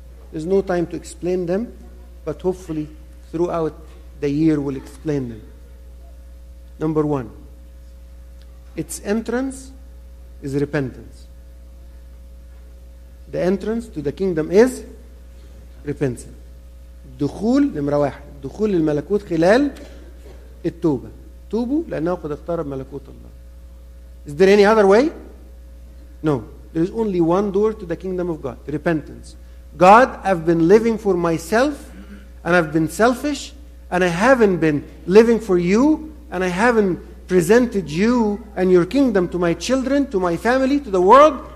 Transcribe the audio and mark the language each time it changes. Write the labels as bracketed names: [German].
[English] There's no time to explain them. But hopefully, throughout the year, we'll explain them. Number one, its entrance is repentance. The entrance to the kingdom is repentance. [Arabic] دخول نمرة واحد. دخول للملكوت خلال التوبة. توبوا لأنه قد اقترب ملكوت الله. [English] Is there any other way? No. There is only one door to the kingdom of God. Repentance. God, I've been living for myself and I've been selfish and I haven't been living for you and I haven't presented you and your kingdom to my children, to my family, to the world.